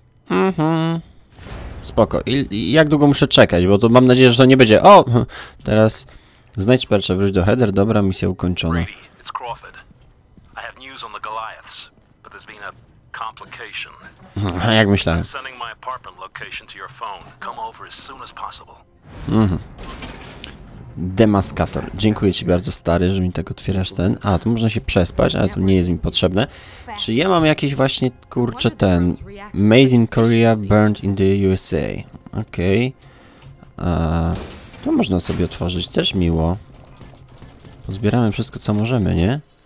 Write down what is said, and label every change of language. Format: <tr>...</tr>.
<pl>Mhm. Spoko. I jak długo muszę czekać? Bo to mam nadzieję, że to nie będzie... O! Teraz... Znajdź pierwsze, wróć do header. Dobra, misja ukończona.</pl> <en>Brady, it's Crawford. I have news on the Goliaths, but there's been a complication.</en> <pl>Jak myślałem.</pl> <en>I'm sending my apartment location to your phone. Come over as soon as possible.</en> <pl>Mhm. Demaskator. Dziękuję ci bardzo, stary, że mi tak otwierasz ten. A, tu można się przespać, ale to nie jest mi potrzebne. Czy ja mam jakieś właśnie, kurczę, ten...</pl> <en>Made in Korea, burned in the USA.</en> <pl>Okej. To można sobie otworzyć, też miło. Pozbieramy wszystko, co możemy, nie?</pl>